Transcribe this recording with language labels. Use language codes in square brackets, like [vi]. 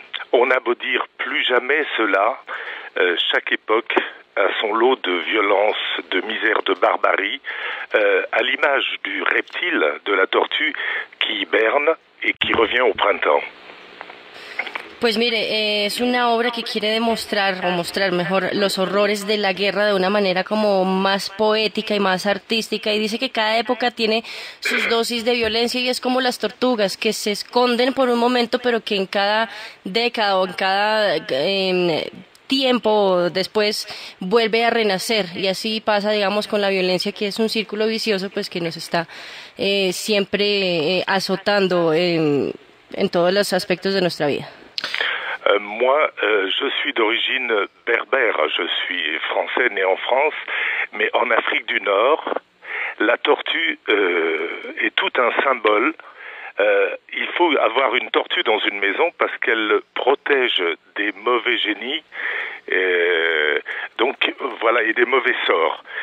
[fr] On a beau dire plus jamais cela, chaque époque a son lot de violence, de misère, de barbarie, à l'image du reptile, de la tortue, qui hiberne et qui revient au printemps. [es] Pues mire, es una obra que quiere demostrar, o mostrar mejor, los horrores de la guerra de una manera como más poética y más artística, y dice que cada época tiene sus dosis de violencia y es como las tortugas que se esconden por un momento, pero que en cada década o en cada tiempo después vuelve a renacer, y así pasa, digamos, con la violencia, que es un círculo vicioso pues que nos está siempre azotando en todos los aspectos de nuestra vida. [fr] Je suis d'origine berbère, je suis français, né en France, mais en Afrique du Nord, la tortue est tout un symbole. Il faut avoir une tortue dans une maison parce qu'elle protège des mauvais génies et des mauvais sorts.